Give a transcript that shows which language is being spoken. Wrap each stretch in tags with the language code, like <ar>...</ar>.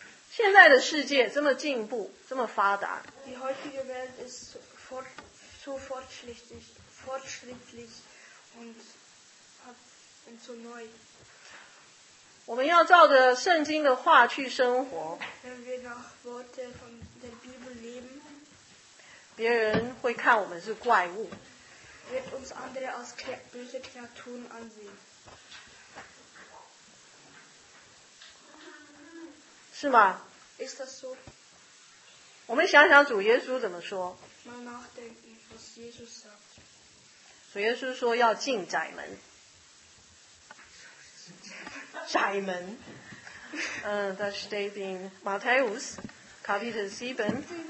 <zh>现在的世界这么进步，这么发达。</zh> <de>Die heutige Welt ist so fortschrittlich und so neu.</de> <zh>我们要照着圣经的话去生活。</zh> <de>Wenn wir nach Worte von der Bibel leben.</de> <zh>别人会看我们是怪物。</zh> <de>Wird uns andere als böse Kreaturen ansehen.</de> <zh>是吗</zh> <de>？Ist das so?</de> <zh>我们想想主耶稣怎么说。</zh> <de>Mal nachdenken, was Jesus sagt.</de> <zh>主耶稣说要进窄门。窄门。</zh> <de>Das steht in Matthäus Kapitel 7.</de>